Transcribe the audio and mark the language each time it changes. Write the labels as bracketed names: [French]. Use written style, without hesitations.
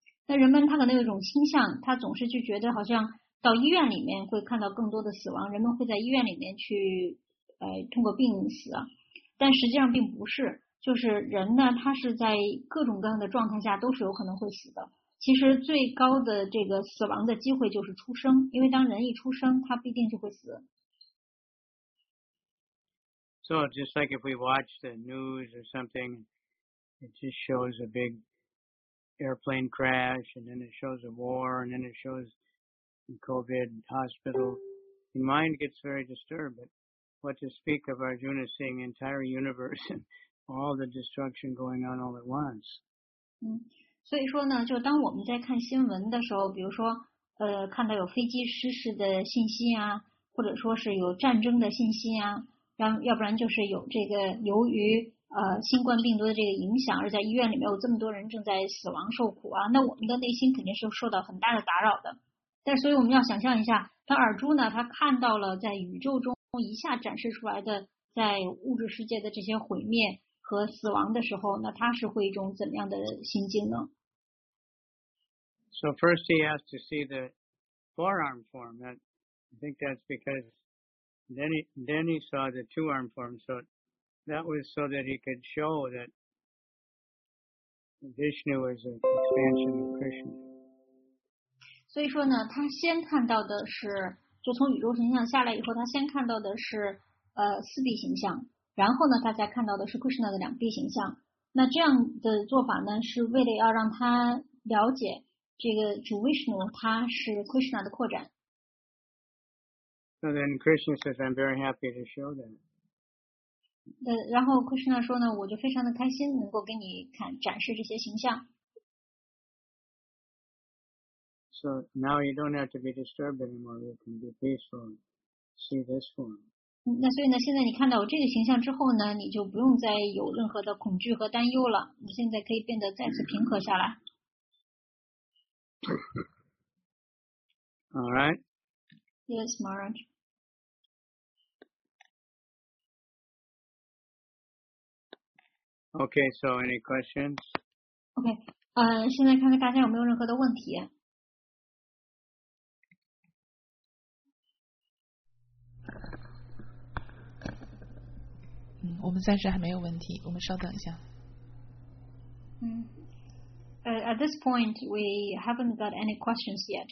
[Chinese] 那人们他可能有一种倾向，他总是就觉得好像到医院里面会看到更多的死亡，人们会在医院里面去通过病死。但实际上并不是，就是人呢，他是在各种各样的状态下都是有可能会死的。其实最高的这个死亡的机会就是出生，因为当人一出生，他必定就会死。 [English] So just like if we watch the news or something, it just shows a big airplane crash, and then it shows a war, and then it shows COVID hospital. The mind gets very disturbed. But what to speak of Arjuna seeing entire universe and all the destruction going on all at once? [Chinese] 所以说呢，就当我们在看新闻的时候，比如说看到有飞机失事的信息啊，或者说是有战争的信息啊，要不然就是有这个由于新冠病毒的这个影响而在医院里面有这么多人正在死亡受苦啊，那我们的内心肯定是受到很大的打扰的。但所以我们要想象一下，当尔朱呢他看到了在宇宙中一下展示出来的在物质世界的这些毁灭和死亡的时候，那他是会一种怎样的心境呢？ [English] So first he has to see the forearm form. That, I think that's because then he saw the two-arm form. So that was so that he could show that Vishnu is an expansion of Krishna. [Chinese] 所以说呢，他先看到的是，就从宇宙形象下来以后，他先看到的是四臂形象。然后呢，大家看到的是 Krishna 的两臂形象。那这样的做法呢，是为了要让他了解这个主 Vishnu 他是 Krishna 的扩展。 [English] So then Krishna says, "I'm very happy to show that." [Chinese] 然后 Krishna 说呢，我就非常的开心能够给你看展示这些形象。 [English] So now you don't have to be disturbed anymore. You can be peaceful and see this form. [Chinese] 那所以呢，现在你看到我这个形象之后呢，你就不用再有任何的恐惧和担忧了，你现在可以变得再次平和下来。 [English] All right. Yes, Maharaj. Okay, so any questions? [Chinese] Okay, 现在看看大家有没有任何的问题。我们暂时还没有问题，我们稍等一下。 [English] At this point, we haven't got any questions yet.